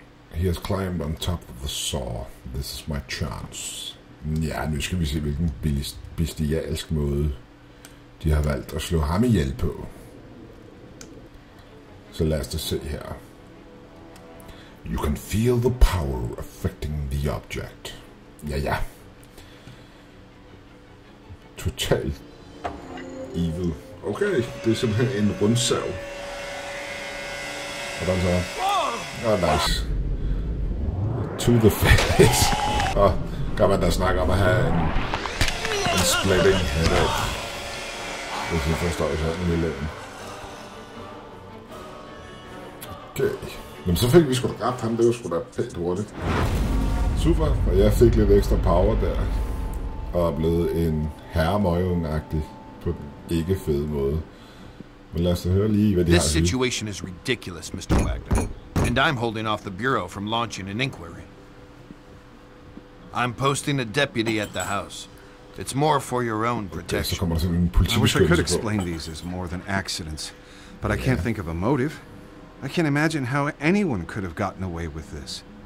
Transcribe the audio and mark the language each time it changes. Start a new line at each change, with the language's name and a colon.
English: He has climbed on top of the saw. This is my chance.
Danish: Ja, nu skal vi se, hvilken bestialsk måde de har valgt at slå ham ihjel på. Så lad os da se her.
English: You can feel the power affecting the object.
Danish: Ja, ja.
English: Total evil.
Danish: Okay, det er simpelthen en rundsav. Hvordan så?
English: Oh, nice. To the face.
Danish: Og kan man da snakke om at have en
English: splitting headache.
Danish: Hvis vi forstår i sådan en lille ende. Okay. Men så fik vi sgu da grabt ham. Det var sgu da pænt hurtigt. Super. Og jeg fik lidt ekstra power der. Og er blevet en herremøgeung-agtig. På den ikke fede måde. Men lad os da høre lige, hvad de har at sige.
English: This situation is ridiculous, Mr. Wagner. And I'm holding off the bureau from launching an inquiry. I'm posting a deputy at the house. It's more for your own protection. Okay, I wish I could explain these as more than accidents, but yeah. I can't think of a motive. I can't imagine how anyone could have gotten away with this.